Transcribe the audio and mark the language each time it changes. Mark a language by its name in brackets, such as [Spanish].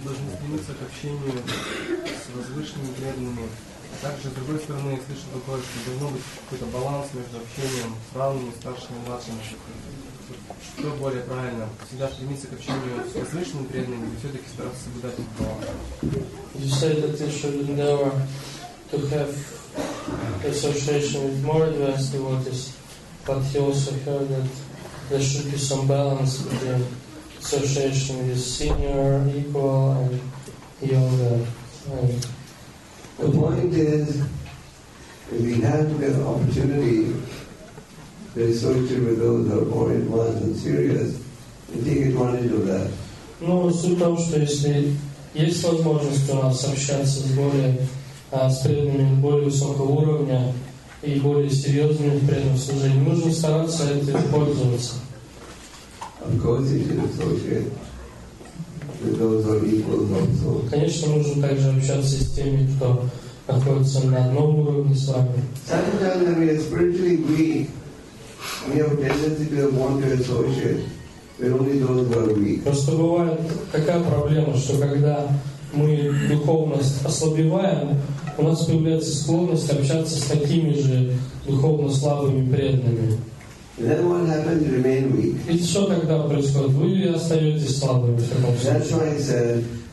[Russian] должны стремиться к общению с возвышенными преданными. Также, с другой стороны, я слышу такое, что должно быть какой-то баланс между общением с равными, старшими и младшими. Что более правильно? Всегда стремиться к общению с возвышенными преданными или все-таки стараться соблюдать этот баланс? [English] You said that you should endeavor to have association with more advanced devotees. But he also heard that there should be some balance between association with senior, equal, and younger. The point is, if we have to get an opportunity to associate with those who are more advanced and serious, we take advantage of that. [Russian] No, суть в том, что если есть возможность у нас общаться с более средними, более высокого уровня, и более серьезными при этом служении. Нужно стараться этим пользоваться. [English] Of course, you should associate with those who are equal to us. [Russian] Конечно, нужно также общаться с теми, кто находится на одном уровне с вами. [English] Sometimes when we are spiritually weak, we have a tendency to want to associate with only those who are weak. [Russian] Просто бывает такая проблема, что когда мы духовно ослабеваем, у нас появляется склонность общаться с такими же духовно слабыми преданными. И что тогда происходит? Вы остаетесь слабыми в таком